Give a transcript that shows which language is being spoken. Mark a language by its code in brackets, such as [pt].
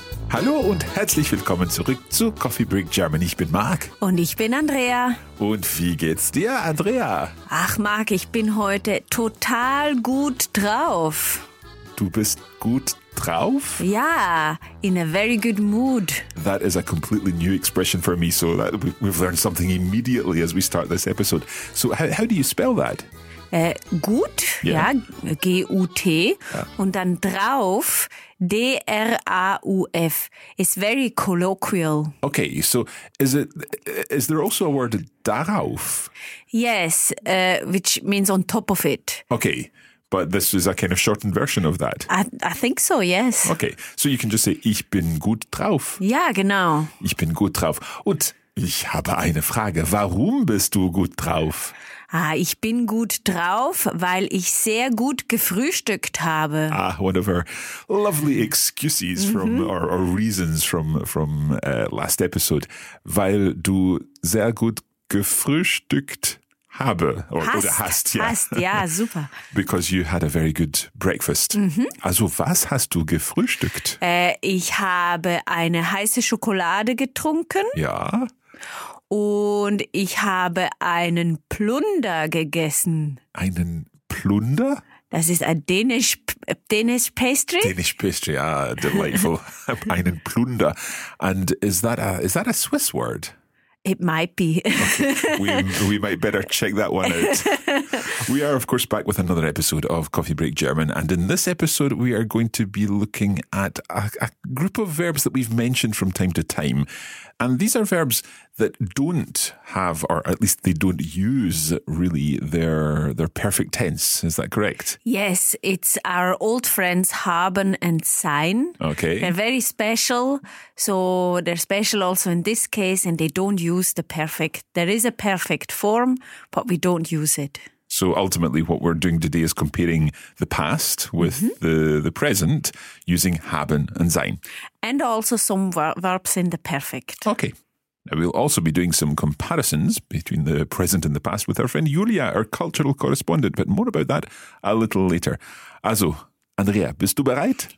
[de] Hallo und herzlich willkommen zurück zu Coffee Break German. Ich bin Marc. Und ich bin Andrea. Und wie geht's dir, Andrea? Ach Marc, ich bin heute total gut drauf. Du bist gut drauf? [en] Ja, in a very good mood. That is a completely new expression for me, so that we've learned something immediately as we start this episode. So how do you spell that? [de] Gut, yeah. Ja, G-U-T, ja. Und dann drauf, D-R-A-U-F. [en] It's very colloquial. Okay, so is there also a word darauf? Yes, which means on top of it. Okay, but this is a kind of shortened version of that. I think so, yes. Okay, so you can just say, [de] ich bin gut drauf. Ja, genau. Ich bin gut drauf. Und ich habe eine Frage, warum bist du gut drauf? Ah, ich bin gut drauf, weil ich sehr gut gefrühstückt habe. [en] Ah, one of our lovely excuses from or reasons from last episode, [de] weil du sehr gut gefrühstückt habe hast, super. [en] Because you had a very good breakfast. Mm-hmm. [de] Also was hast du gefrühstückt? Ich habe eine heiße Schokolade getrunken. Ja. Und ich habe einen Plunder gegessen. Einen Plunder? Das ist ein Danish pastry. [en] Danish pastry, ah, delightful. [de] Einen Plunder. [en] And is that a Swiss word? It might be. Okay. We might better check that one out. We are, of course, back with another episode of Coffee Break German. And in this episode, we are going to be looking at a group of verbs that we've mentioned from time to time. And these are verbs that don't have, or at least they don't use, really, their perfect tense. Is that correct? Yes, it's our old friends haben and sein. Okay. They're very special. So they're special also in this case, and they don't use the perfect. There is a perfect form, but we don't use it. So ultimately, what we're doing today is comparing the past with the present using haben and sein. And also some verbs in the perfect. Okay. Now we'll also be doing some comparisons between the present and the past with our friend Julia, our cultural correspondent. But more about that a little later. [de] Also, Andrea, bist du bereit?